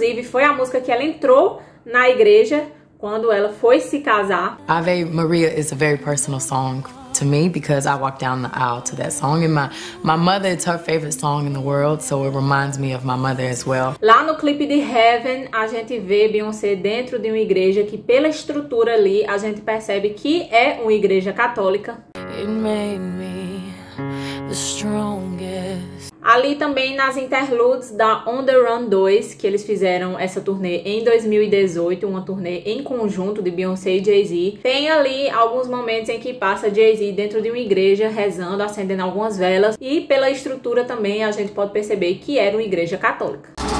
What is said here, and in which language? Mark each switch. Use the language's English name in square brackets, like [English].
[Portuguese] Foi a música que ela entrou na igreja quando ela foi se casar. [English] Ave Maria is a very personal song to me because I walked down the aisle to that song and my mother, it's her favorite song in the world, so it reminds me of my mother as well. [Portuguese] Lá no clipe de Heaven, a gente vê Beyoncé dentro de uma igreja que pela estrutura ali a gente percebe que é uma igreja católica. [English] It made me the strongest. [Portuguese] Ali também nas interludes da On The Run 2, que eles fizeram essa turnê em 2018, uma turnê em conjunto de Beyoncé e Jay-Z, tem ali alguns momentos em que passa Jay-Z dentro de uma igreja rezando, acendendo algumas velas, e pela estrutura também a gente pode perceber que era uma igreja católica.